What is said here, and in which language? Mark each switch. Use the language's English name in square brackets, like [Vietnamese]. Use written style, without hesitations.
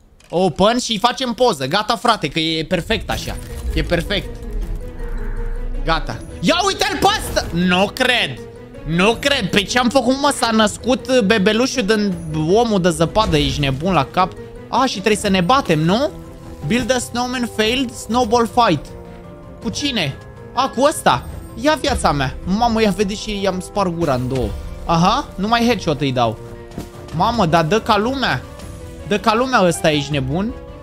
[Romanian] Open și facem poză. Gata, frate, că e perfect așa. E perfect. Gata. Ia uite-l pe ăsta. Nu cred. Nu cred. Pe ce am făcut, mă? S-a născut bebelușul din omul de zăpadă. Ești nebun la cap. A, și trebuie să ne batem, nu? [English] Build a snowman failed snowball fight. [Romanian] Cu cine? A, cu ăsta. Ia viața mea. Mamă, ia vedeți și i-am spart gura în două. Aha, numai headshot îi dau. Mamă, dar dă ca lumea. Dă ca lumea ăsta, ești nebun.